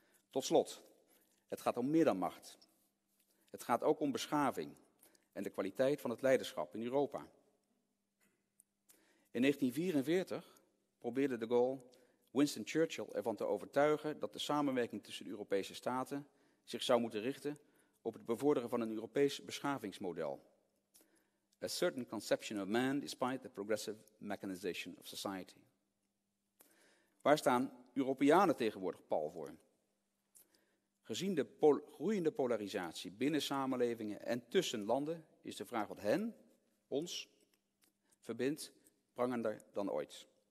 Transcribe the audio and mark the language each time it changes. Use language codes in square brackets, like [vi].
[nl] Tot slot, het gaat om meer dan macht. Het gaat ook om beschaving en de kwaliteit van het leiderschap in Europa. In 1944 probeerde de Gaulle Winston Churchill ervan te overtuigen dat de samenwerking tussen de Europese staten zich zou moeten richten op het bevorderen van een Europees beschavingsmodel. [en] A certain conception of man despite the progressive mechanization of society. [nl] Waar staan Europeanen tegenwoordig pal voor? Gezien de groeiende polarisatie binnen samenlevingen en tussen landen is de vraag wat hen, ons, verbindt prangender dan ooit.